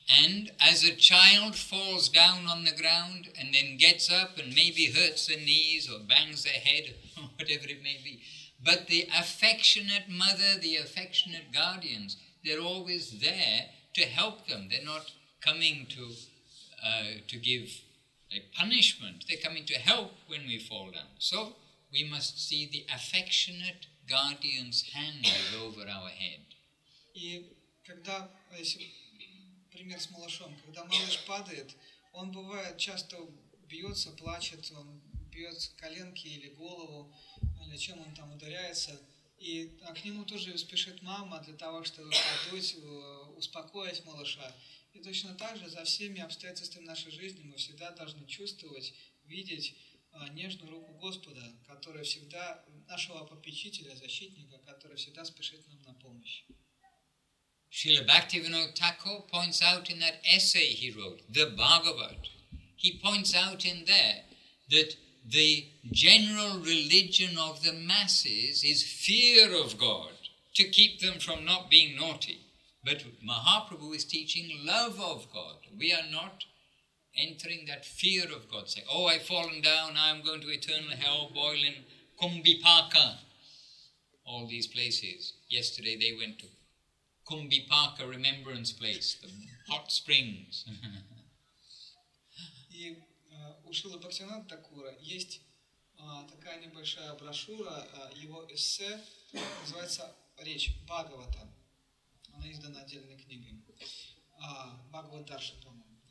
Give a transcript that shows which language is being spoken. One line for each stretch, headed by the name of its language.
English: And as a child falls down on the ground and then gets up and maybe hurts their knees or bangs their head, whatever it may be, but the affectionate mother, the affectionate guardians, they're always there to help them. They're not coming to give a punishment. They're coming to help when we fall down. So we must see the affectionate guardian's hand over our head.
Russian: И когда, если пример с малышом, когда малыш падает, он бывает часто бьется, плачет, он бьет коленки или голову, или чем он там ударяется, и к нему тоже спешит мама для того, чтобы подуть, успокоить малыша. И точно так же за всеми обстоятельствами нашей жизни мы всегда должны чувствовать, видеть нежную руку Господа, которая всегда нашего попечителя, защитника, который всегда спешит нам на помощь.
English: Srila Bhaktivinoda Thakur points out in that essay he wrote, The Bhagavad, he points out in there that the general religion of the masses is fear of God to keep them from not being naughty. But Mahaprabhu is teaching love of God. We are not entering that fear of God, saying, oh, I've fallen down, I'm going to eternal hell, boiling Kumbhipaka, all these places. Yesterday they went to Kumbhipaka remembrance place, the hot springs.
Russian: И у Шрилы Бхактивинода Такура есть такая небольшая брошюра, его эссе, называется «Речь Бхагавата». Она издана отдельной книгой. Бхагавад-дарша, по-моему.